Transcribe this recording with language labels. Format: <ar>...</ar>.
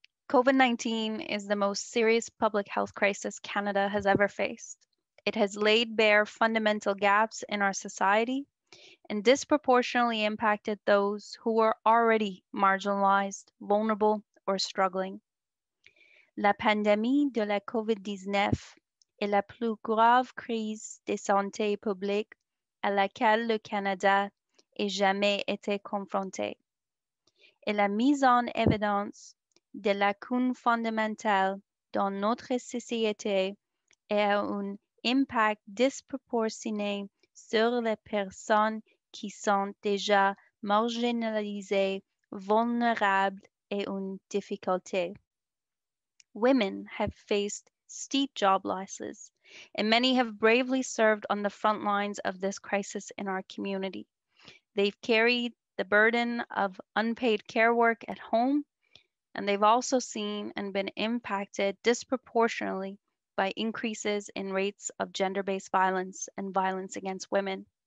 <en>COVID-19 is the most serious public health crisis Canada has ever faced. It has laid bare fundamental gaps in our society and disproportionately impacted those who were already marginalized, vulnerable, or struggling.</en> <fr>La pandémie de la COVID-19 est la plus grave crise de santé publique à laquelle le Canada ait jamais été confronté. Elle a mis en évidence des lacunes fondamentales dans notre société et a un impact disproportionné sur les personnes qui sont déjà marginalisées, vulnérables et en difficulté.</fr> <en>Women have faced steep job losses, and many have bravely served on the front lines of this crisis in our community. They've carried the burden of unpaid care work at home, and they've also seen and been impacted disproportionately by increases in rates of gender-based violence and violence against women.</en>